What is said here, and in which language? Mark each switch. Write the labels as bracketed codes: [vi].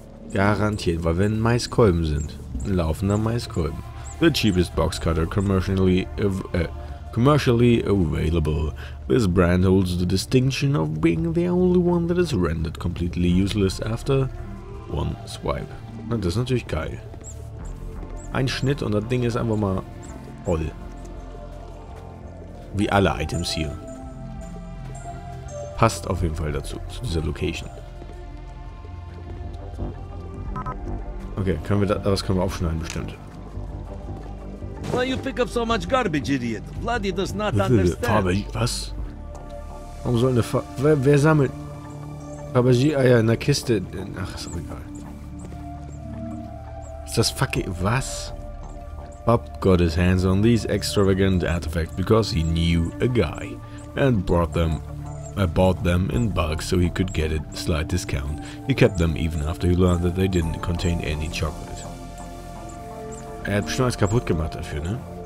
[de] Garantiert, weil wenn Maiskolben sind. Ein laufender Maiskolben. [en] The cheapest box cutter commercially commercially available. This brand holds the distinction of being the only one that is rendered completely useless after one swipe. [de] Na, das ist natürlich geil. Ein Schnitt und das Ding ist einfach mal voll. Wie alle Items hier. Passt auf jeden Fall dazu, zu dieser Location. Okay, können wir das können wir aufschneiden bestimmt. [en] Why you pick up so much garbage, idiot? Bloody does not understand. [de] Fabergé, was? Warum soll eine wer sammelt Fabergé Eier in der Kiste? Ach, ist doch egal. Ist das fucking was? [en] Bob got his hands on these extravagant artifacts because he knew a guy and brought them. I bought them in bulk so he could get a slight discount. He kept them even after he learned that they didn't contain any chocolate. [de] Er hat bestimmt alles kaputt gemacht dafür, ne?